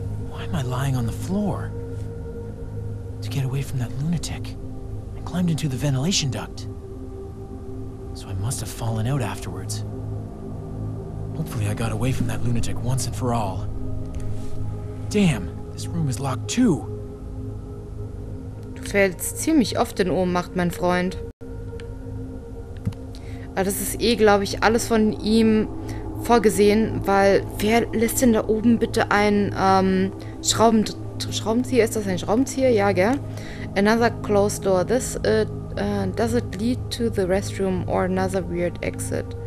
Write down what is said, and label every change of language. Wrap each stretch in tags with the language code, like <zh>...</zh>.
<en>Why am I lying on the floor? To get away from that lunatic, I climbed into the ventilation duct. So I must have fallen out afterwards. Hopefully I got away from that lunatic once and for all. Damn, this room is locked too.</en> <de>Du fällst ziemlich oft in Ohnmacht, mein Freund. Aber das ist eh, glaube ich, alles von ihm vorgesehen, weil wer lässt denn da oben bitte einen Schraubenzieher? Ist das ein Schraubenzieher? Ja, gell?</de> <en>Another closed door. This does it lead to the restroom or another weird exit?</en>